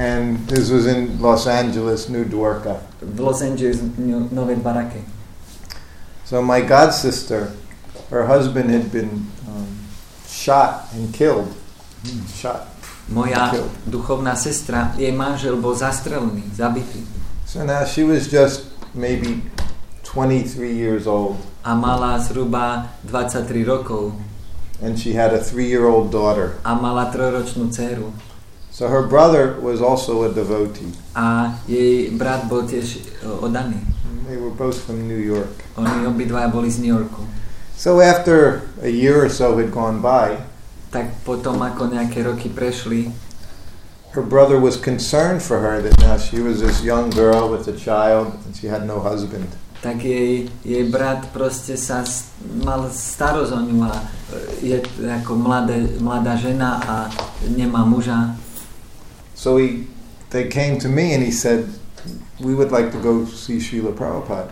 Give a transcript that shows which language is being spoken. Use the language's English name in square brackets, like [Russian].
[English] And this was in Los Angeles, New Dwarka. [Slovak] Los Angeles, Nové Baráky. [English] So my god sister, her husband had been shot and killed. Shot. [Slovak] Moja duchovná sestra, jej manžel bol zastrelený, zabitý. [English] So now she was just maybe 23 years old. [Slovak] A mala zhruba 23 rokov. [English] And she had a 3-year-old daughter. [Slovak] A mala trojročnú dcéru. [English] So her brother was also a devotee. [Slovak] A jej brat bol tiež oddaný. [English] They were both from New York. [Slovak] Oni obidvaja boli z New Yorku. [English] So after a year or so had gone by, [Slovak] tak potom ako nejaké roky prešli, [English] her brother was concerned for her that now she was this young girl with a child and she had no husband. [Slovak] Tak jej brat proste sa mal starosť o ňu a je ako mladá žena a nemá muža. [English] So they came to me and he said, we would like to go see Srila Prabhupada.